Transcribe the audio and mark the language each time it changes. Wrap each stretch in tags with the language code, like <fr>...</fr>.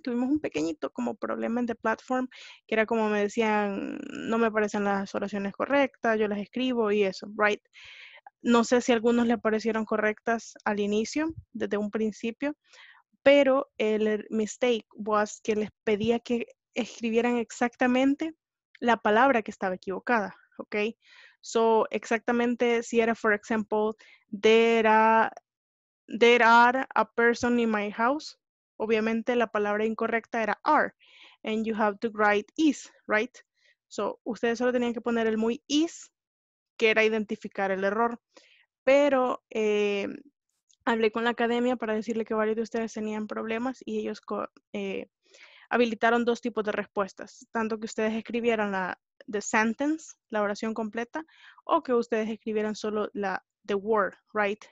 <es>Tuvimos un pequeñito como problema en the platform, que era como me decían, no me parecen las oraciones correctas, yo las escribo y eso, right? No sé si a algunos le parecieron correctas al inicio, desde un principio, pero el mistake was que les pedía que escribieran exactamente la palabra que estaba equivocada, ¿ok?</es> <en>So, exactamente, si era, for example, there are a person in my house, obviamente la palabra incorrecta era are, and you have to write is, right?</en> <es>So, ustedes solo tenían que poner el muy is, que era identificar el error. Pero hablé con la academia para decirle que varios de ustedes tenían problemas y ellos habilitaron dos tipos de respuestas. Tanto que ustedes escribieran la the sentence, la oración completa, o que ustedes escribieran solo la the word, right?</es>